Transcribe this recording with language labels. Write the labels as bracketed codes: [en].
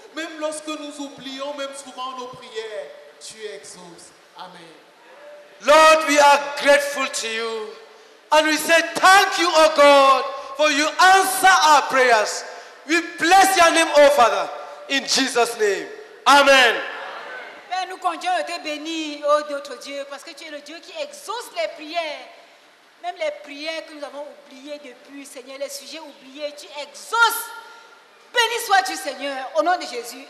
[fr] Même lorsque nous oublions, même souvent nos prières, tu exauces. Amen. [en] Lord, we are grateful to you. And we say thank you, oh God, for you answer our prayers. We bless your name, oh Father, in Jesus' name. Amen. [fr] Nous continuons de te bénir, oh notre Dieu, parce que tu es le Dieu qui exauce les prières. Même les prières que nous avons oubliées depuis, Seigneur, les sujets oubliés, tu exauces. Béni sois-tu, Seigneur, au nom de Jésus.